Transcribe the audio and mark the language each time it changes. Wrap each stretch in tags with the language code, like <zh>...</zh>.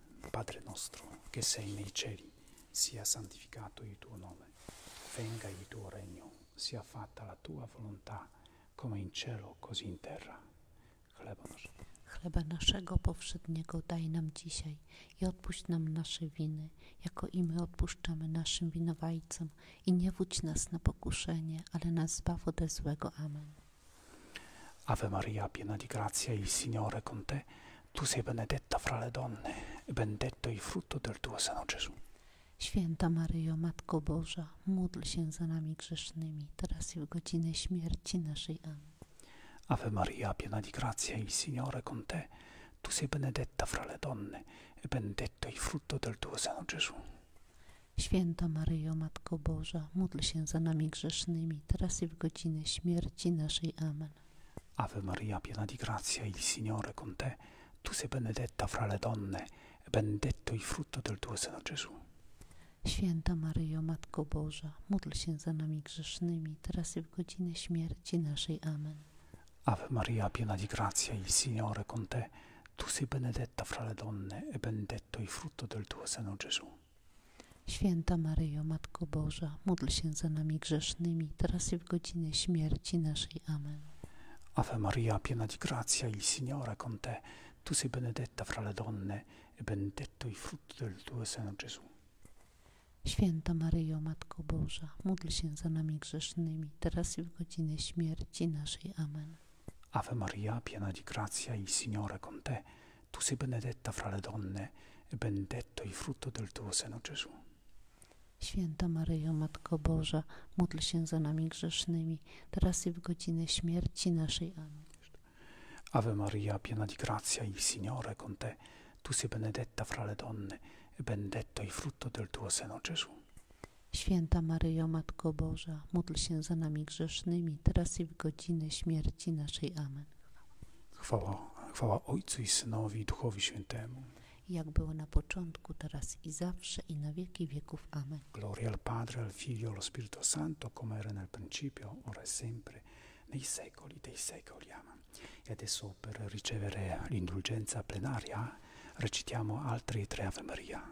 <it>Padre nostro, che sei nei cieli, sia santificato il tuo nome. Venga il tuo regno, sia fatta la tua volontà, come in cielo, così in terra.</it> <pl>Chleba naszego powszedniego daj nam dzisiaj i odpuść nam nasze winy, jako i my odpuszczamy naszym winowajcom. I nie wódź nas na pokuszenie, ale nas zbaw ode złego. Amen.</pl> <it>Ave Maria, piena di grazia, il Signore è con te. Tu sei benedetta fra le donne, e benedetto il frutto del tuo seno, Gesù.</it> <pl>Święta Maryjo, Matko Boża, módl się za nami grzesznymi, teraz i w godzinę śmierci naszej. Amen.</pl> <it>Ave Maria, piena di grazia, il Signore è con te. Tu sei benedetta fra le donne, e benedetto il frutto del tuo seno, Gesù.</it> <pl>Święta Maryjo, Matko Boża, módl się za nami grzesznymi, teraz i w godzinę śmierci naszej. Amen.</pl> <it>Ave Maria, piena di grazia, il Signore è con te. Tu sei benedetta fra le donne, e benedetto il frutto del tuo seno, Gesù.</it> <pl>Święta Maryjo, Matko Boża, módl się za nami grzesznymi, teraz i w godzinę śmierci naszej. Amen.</pl> <it>Ave Maria, piena di grazia, il Signore è con te. Tu sei benedetta fra le donne, e benedetto il frutto del tuo seno, Gesù.</it> <pl>Święta Maryjo, Matko Boża, módl się za nami grzesznymi, teraz i w godzinę śmierci naszej. Amen.</pl> <it>Ave Maria, piena di grazia, il Signore è con te. Tu sei benedetta fra le donne, e benedetto il frutto del tuo seno, Gesù.</it> <pl>Święta Maryjo, Matko Boża, módl się za nami grzesznymi, teraz i w godzinę śmierci naszej. Amen.</pl> <it>Ave Maria, piena di grazia, il Signore è con te. Tu sei benedetta fra le donne, e benedetto il frutto del tuo seno, Gesù.</it> <pl>Święta Maryjo, Matko Boża, módl się za nami grzesznymi, teraz i w godzinę śmierci naszej. Amen.</pl> <it>Ave Maria, piena di grazia, il Signore è con te. Tu sei benedetta fra le donne, e benedetto il frutto del tuo seno, Gesù.</it> <pl>Święta Maryjo, Matko Boża, módl się za nami grzesznymi, teraz i w godzinę śmierci naszej. Amen. Chwała Ojcu i Synowi i Duchowi Świętemu. Jak było na początku, teraz i zawsze, i na wieki wieków. Amen.</pl> <it>Gloria al Padre, al Figlio, allo Spirito Santo, come era nel principio, ora e sempre, nei secoli dei secoli. Amen. E adesso, per ricevere l'indulgenza plenaria, recitiamo altri tre Ave Maria.</it>